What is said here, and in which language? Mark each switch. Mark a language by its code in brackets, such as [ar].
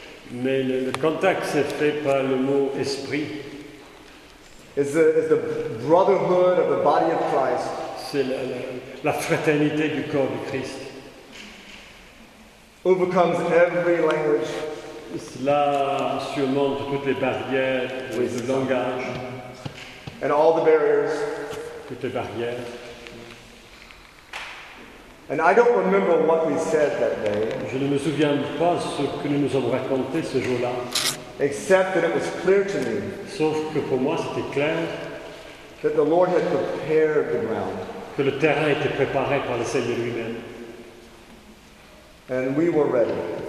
[fr] Mais le contact s'est fait par le mot esprit. [en] Is the brotherhood of the body of Christ. [fr] C'est la fraternité du corps du Christ. [en] Overcomes every language. [fr] Cela surmonte toutes les barrières, oui, le langage. [en] And all the barriers. [fr] Toutes les barrières. [en] And I don't remember what we said that day. [fr] Je ne me souviens pas ce que nous avons raconté ce jour-là. [en] Except that it was clear to me. [fr] Sauf que pour moi c'était clair. [en] That the Lord had prepared the ground. [fr] Que le terrain était préparé par le Seigneur lui-même. [en] And we were ready.